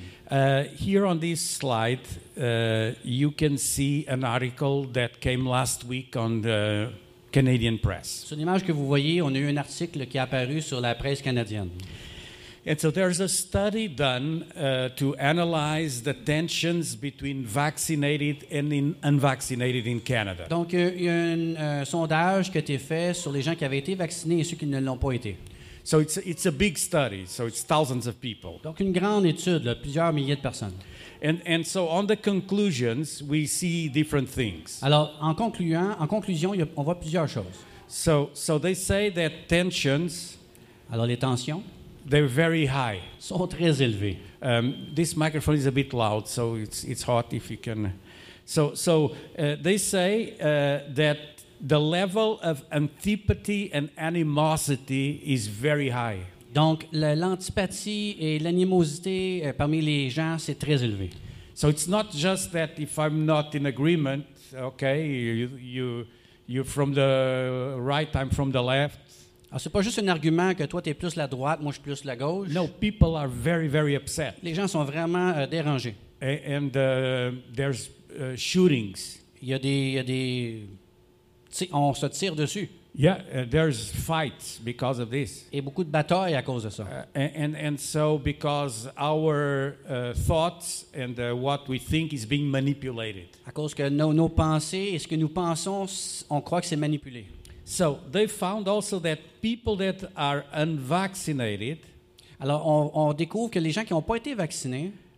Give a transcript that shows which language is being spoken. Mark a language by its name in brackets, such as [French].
[English] Here on this slide, you can see an article that came last week on the Canadian press. [French] Sur l'image que vous voyez, on a eu un article qui est apparu sur la presse canadienne. [English] And so there's a study done to analyze the tensions between vaccinated and unvaccinated in Canada. [French] Donc, il y a un sondage qui a été fait sur les gens qui avaient été vaccinés et ceux qui ne l'ont pas été. [English] So it's a big study, so it's thousands of people. [French] Donc une grande étude, là, plusieurs milliers de personnes. [English] And so on the conclusions, we see different things. [French] Alors en conclusion, on voit plusieurs choses. [English] So they say that tensions. [French] Alors les tensions. [English] They're very high. [French] Sont très élevées. [English] This microphone is a bit loud, so it's hot if you can. So they say that. The level of antipathy and animosity is very high. [French] Donc, l'antipathie et l'animosité parmi les gens, c'est très élevé. [English] So it's not just that if I'm not in agreement, okay, you're from the right, I'm from the left. [French] Alors, c'est pas juste un argument que toi, t'es plus la droite, moi, je suis plus la gauche. [English] No, people are very, very upset. [French] Les gens sont vraiment dérangés. [English] And there's shootings. [French] Il y a des on se tire dessus. [English] Yeah, there's fights because of this. [French] Et beaucoup de batailles à cause de ça. [English] And so because our thoughts and what we think is being manipulated. [French] À cause que nos pensées et ce que nous pensons, on croit que c'est manipulé. [English] So they found also that people that are unvaccinated. [French] Alors on découvre que les gens qui n'ont pas été vaccinés.